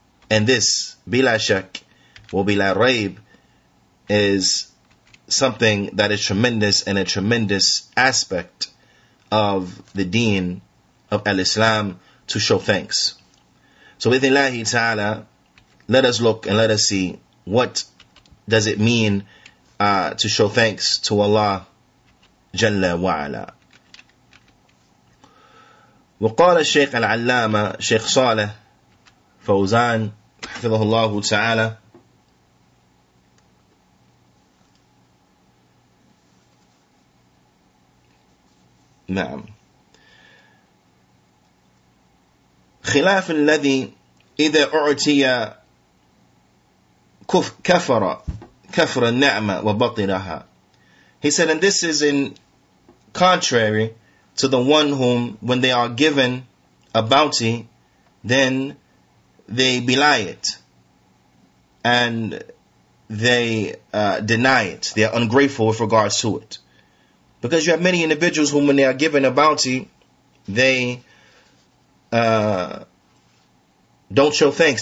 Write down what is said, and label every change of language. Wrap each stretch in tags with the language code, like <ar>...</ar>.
<en>And this,</en> <ar>bila shak, wa bila raib,</ar> <en>is something that is tremendous and a tremendous aspect of the deen of al-Islam to show thanks. So with Allah Ta'ala, let us look and let us see what does it mean to show thanks to Allah Jalla wa'ala.</en> <ar>وقال الشيخ العلامة شيخ صالح فوزان حفظه الله تعالى نعم خلاف الذي إذا أعطي كفر كفر النعمة وبطلها.</ar> <en>He said, and this is in contrary to the one whom, when they are given a bounty, then they belie it and they deny it. They are ungrateful with regards to it. Because you have many individuals whom, when they are given a bounty, they don't show thanks.</en>